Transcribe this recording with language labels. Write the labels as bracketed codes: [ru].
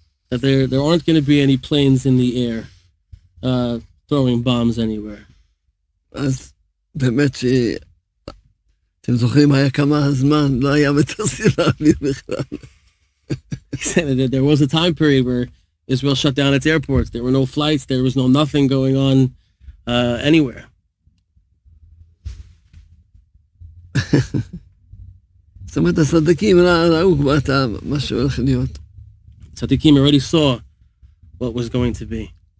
[en] That there aren't going to be any planes in the air throwing bombs anywhere. [he] אז באמת שאתם זוכרים היה כמה הזמן לא היה מטוסים להעביר בכלל. [en] There was a time period where Israel shut down its airports. There were no flights, there was no nothing going on anywhere. [he] זאת אומרת, הצדיקים ראו כבר את מה שהולך להיות. [en] Tzadikim already saw what was going to be.